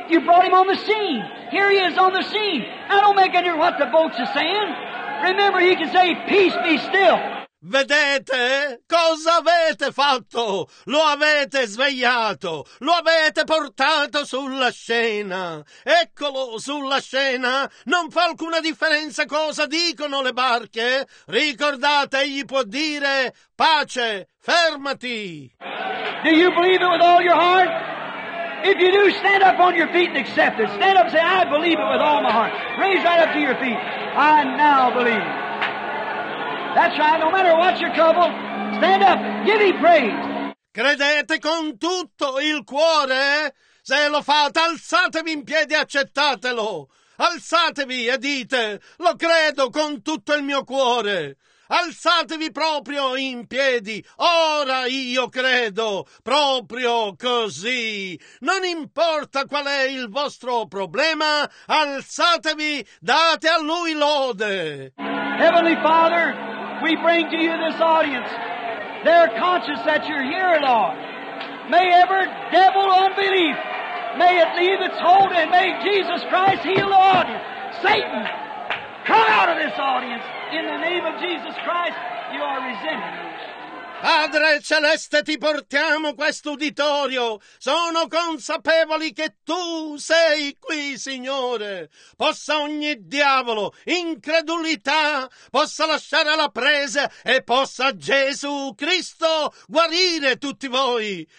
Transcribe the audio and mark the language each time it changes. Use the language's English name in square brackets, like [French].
[English] You brought him on the scene. Here he is on the scene. I don't make any difference what the folks are saying. Remember, he can say, peace be still. [Italian] Vedete cosa avete fatto? Lo avete svegliato, lo avete portato sulla scena. Eccolo sulla scena. Non fa alcuna differenza cosa dicono le barche. Ricordate, egli può dire: pace, fermati. [English] Do you believe it with all your heart? If you do, stand up on your feet and accept it. Stand up and say, I believe it with all my heart. Raise right up to your feet. I now believe. That's right, no matter what your trouble, stand up, give him praise. [Italian] Credete con tutto il cuore? Se lo fate, alzatevi in piedi e accettatelo. Alzatevi e dite, lo credo con tutto il mio cuore. Alzatevi proprio in piedi, ora io credo, proprio così. Non importa qual è il vostro problema, alzatevi, date a lui lode. [English] Heavenly Father, we bring to you this audience. They're conscious that you're here, Lord. May every devil unbelief, may it leave its hold, and may Jesus Christ heal the audience. Satan, come out of this audience. In the name of Jesus Christ, you are resented. [Italian] Padre Celeste, ti portiamo questo uditorio. Sono consapevoli che tu sei qui, Signore. Possa ogni diavolo, incredulità, possa lasciare la presa e possa Gesù Cristo guarire tutti voi.